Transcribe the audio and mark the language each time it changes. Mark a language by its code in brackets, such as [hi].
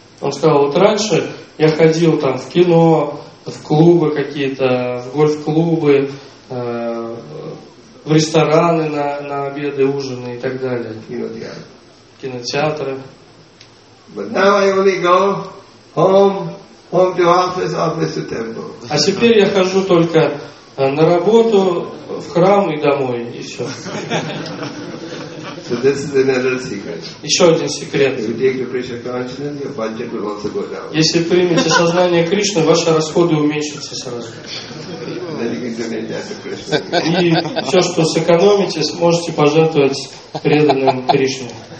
[ru] Он сказал, вот раньше я ходил там в кино, в клубы какие-то, в гольф-клубы, в рестораны на обеды, ужины и так далее. Кинотеатры. [en] But now I only go home to office, office to temple. [ru] А теперь я хожу только на работу, в храм и домой, и все. [en] So this is another secret. [ru] Еще один секрет. [en] If you take the Krishna consciousness, your budget will also go down. [ru] Если примете сознание Кришны, ваши расходы уменьшатся сразу. [en] Then you can donate that to Krishna. [ru] И все, что сэкономите, сможете пожертвовать преданным Кришне.